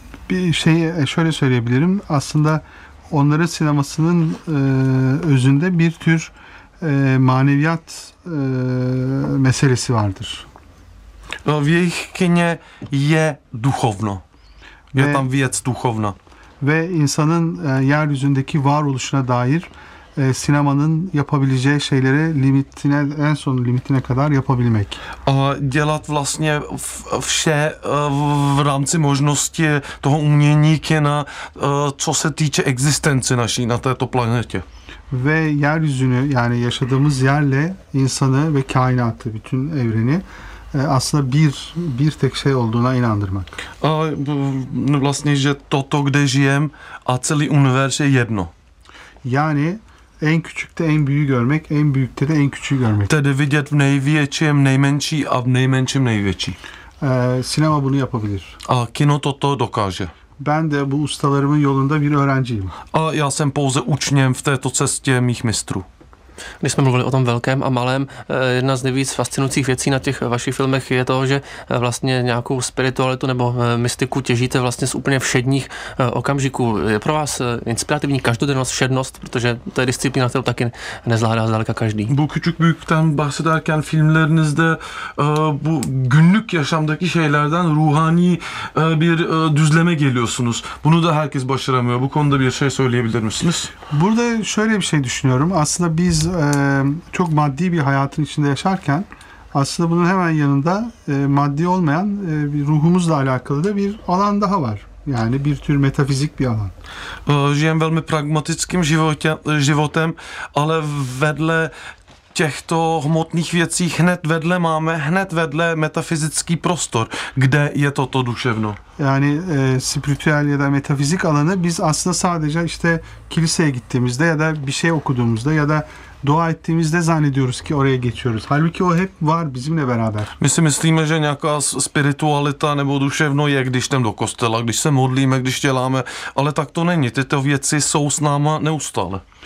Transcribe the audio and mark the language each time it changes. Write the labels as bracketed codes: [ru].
[tr] Bir şey şöyle söyleyebilirim. Aslında onların sinemasının özünde bir tür maneviyat meselesi vardır. [cs] V jejich kině je duchovno. Je tam věc duchovna. [tr] Ve insanın yeryüzündeki varoluşuna dair sinemanın yapabileceği şeylere limitine en son limitine kadar yapabilmek. [cs] Dělat vlastně vše v rámci možnosti toho umění kina, co se týče existence naší na této planetě. [tr] Ve yeryüzünü yani yaşadığımız yerle insanı ve kainatı bütün evreni aslında bir tek şey olduğuna inandırmak. [cs] Vlastně, že toto, kde žijem a celý univerz je jedno. [tr] Yani en küçükte en büyüğü görmek, en büyükte de en küçüğü görmek. [cs] Tedy vidět v největším nejmenší a v nejmenším největší. [tr] Sinema bunu yapabilir. [cs] A kino toto dokáže. [tr] Ben de bu ustalarımın yolunda bir öğrenciyim. [cs] A já jsem pouze učněm v této cestě mých mistrů. Když jsme mluvili o tom velkém a malém, jedna z nejvíc fascinujících věcí na těch vašich filmech je to, že vlastně nějakou spiritualitu nebo mystiku těžíte vlastně z úplně všedních okamžiků. Je pro vás inspirativní každodennost, všednost, protože to je disciplína, kterou taky nezvládá zdaleka každý. [tr] Bukücük büyük tam bahsederken filmlerinizde bu günlük yaşamdaki şeylerden ruhani bir düzleme geliyorsunuz. Bunu da herkes başaramıyor. Bu konuda bir şey söyleyebilir misiniz? Burada şöyle bir şey düşünüyorum. Aslında biz çok maddi bir hayatın içinde yaşarken aslında bunun hemen yanında maddi olmayan bir ruhumuzla alakalı da bir alan daha var. Yani bir tür metafizik bir alan. [cs] Žijeme velmi pragmatickým životem, ale vedle těchto hmotných věcí hned vedle máme hned vedle metafyzický prostor, kde je toto duševno. [tr] Yani spiritüel ya da metafizik alanı biz aslında sadece işte kiliseye gittiğimizde ya da bir şey okuduğumuzda ya da dua ettiğimizde zannediyoruz ki oraya geçiyoruz. Halbuki o hep var bizimle beraber. [cs] My si myslíme, že nějaká spiritualita nebo duševno je, když jdem do kostela, když se modlíme, když děláme, ale tak to není. Tyto věci jsou s náma neustále.